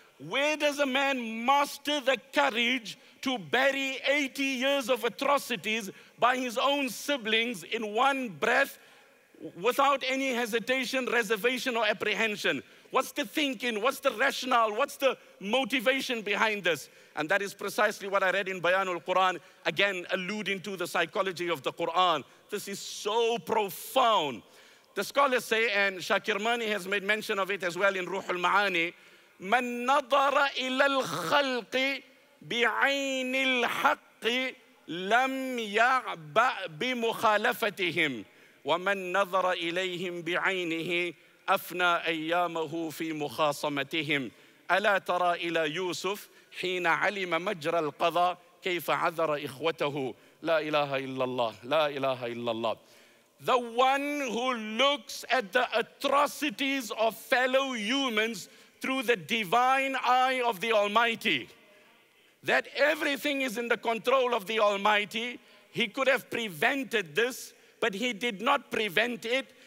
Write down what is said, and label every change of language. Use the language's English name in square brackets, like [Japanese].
[English] Where does a man master the courage to bury 80 years of atrocities by his own siblings in one breath without any hesitation, reservation, or apprehension? What's the thinking? What's the rationale? What's the motivation behind this? And that is precisely what I read in Bayanul Quran, again, alluding to the psychology of the Quran. This is so profound. The scholars say, and Shakirmani has made mention of it as well in Ruhul Ma'ani, [Arabic] مَن نَظَرَ إِلَى الْخَلْقِ بِعَيْنِ الْحَقِّ لَمْ يَعْبَأْ بِمُخَالَفَتِهِمْ وَمَن نَظَرَ إِلَيْهِمْ بِعَيْنِهِ أَفْنَى أَيَّامَهُ فِي مُخَاصَمَتِهِمْ أَلَا تَرَى إِلَى يُوسُفَ حِينَ عَلِمَ مَجْرَى الْقَضَى كَيْفَ عَذَرَ إِخْوَتَهُ لَا إِلَهَ إِلَّا اللَّهُ لَا إِلَهَ إِلَّا اللَّهُ. [English] The one who looks at the atrocities of fellow humans through the divine eye of the Almighty, that everything is in the control of the Almighty, he could have prevented this, but he did not prevent it.